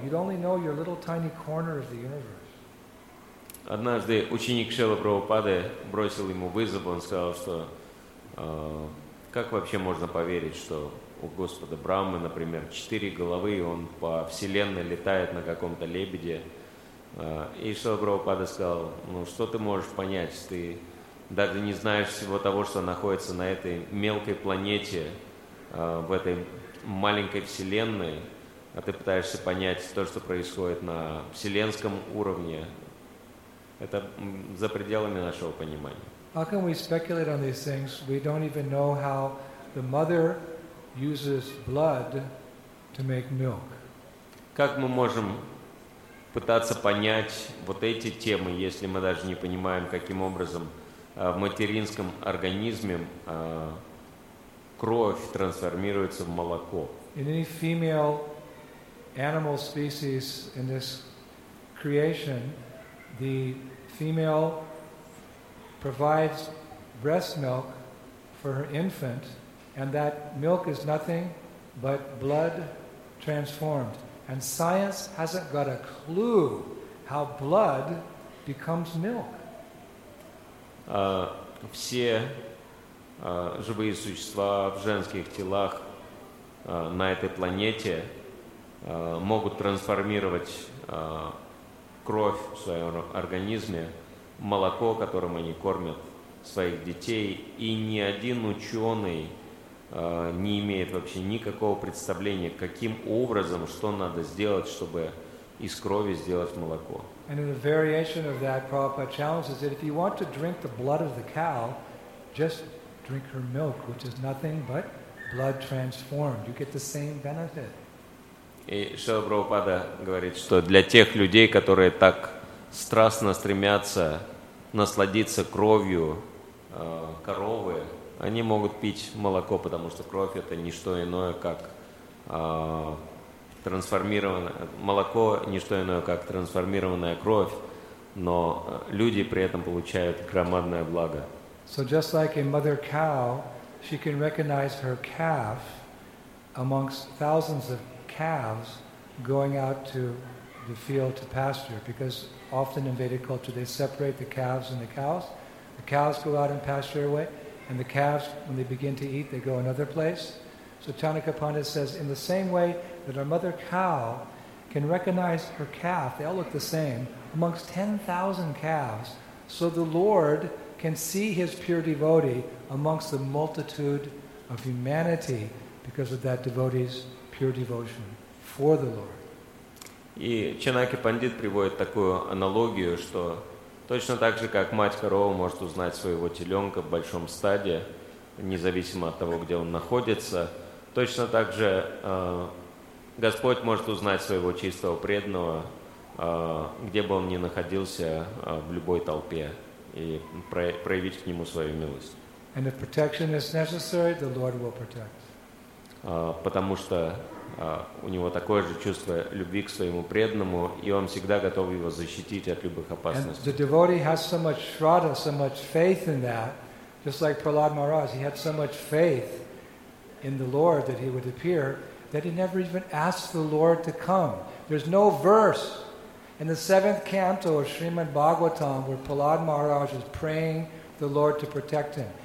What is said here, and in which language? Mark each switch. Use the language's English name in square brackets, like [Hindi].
[English] You'd only know your little tiny corner of the universe. [Russian] Однажды ученик Шрилы Прабхупады бросил ему вызов, он сказал, что как вообще можно поверить, что у Господа Брахмы, например, четыре головы, и он по вселенной летает на каком-то лебеде. И Шрила Прабхупада сказал, ну что ты можешь понять, ты даже не знаешь всего того, что находится на этой мелкой планете, в этой маленькой вселенной, а ты пытаешься понять то, что происходит на вселенском уровне. Это за пределами нашего понимания. [English] How can we speculate on these things? We don't even know how the mother uses blood to make milk. [Russian] Как мы можем пытаться понять вот эти темы, если мы даже не понимаем, каким образом в материнском организме кровь трансформируется в молоко. [English] In any female animal species in this creation, the female provides breast milk for her infant, and that milk is nothing but blood transformed. And science hasn't got a clue how blood becomes milk. [Russian] Все живые существа в женских телах на этой планете могут трансформировать кровь в своем организме, молоко, которым они кормят своих детей, и ни один ученый не имеет вообще никакого представления, каким образом, что надо сделать, чтобы из крови сделать молоко. [English] And in a variation of that, Prabhupada challenges that if you want to drink the blood of the cow, just drink her milk, which is nothing but blood transformed. You get the same benefit. [Russian] И Шрила Прабхупада говорит, что для тех людей, которые так страстно стремятся насладиться кровью коровы, они могут пить молоко, потому что кровь это не что иное, как трансформированное молоко, не что иное, как трансформированная кровь, но люди при этом получают громадное благо. [English] So just like a mother cow, she can recognize her calf amongst thousands of calves going out to the field to pasture, because often in Vedic culture they separate the calves and the cows. The cows go out and pasture away, and the calves, when they begin to eat, they go another place. So Chanaka Pandit says, in the same way that our mother cow can recognize her calf, they all look the same, amongst 10,000 calves, so the Lord can see his pure devotee amongst the multitude of humanity because of that devotee's pure devotion for the Lord. [Russian] И Чанаки Пандит приводит такую аналогию, что точно так же, как мать корова может узнать своего теленка в большом стаде, независимо от того, где он находится, точно так же Господь может узнать своего чистого преданного, где бы он ни находился, в любой толпе, и проявить к нему свою милость. [English] And if protection is necessary, the Lord will protect. [Russian] Потому что у него такое же чувство любви к своему преданному, и он всегда готов его защитить от любых опасностей. [English] And the devotee has so much shraddha, so much faith in that, just like Prahlad Maharaj, he had so much faith in the Lord that he would appear, that he never even asked the Lord to come. There's no verse in the seventh canto of Srimad Bhagavatam where Prahlad Maharaj is praying the Lord to protect him.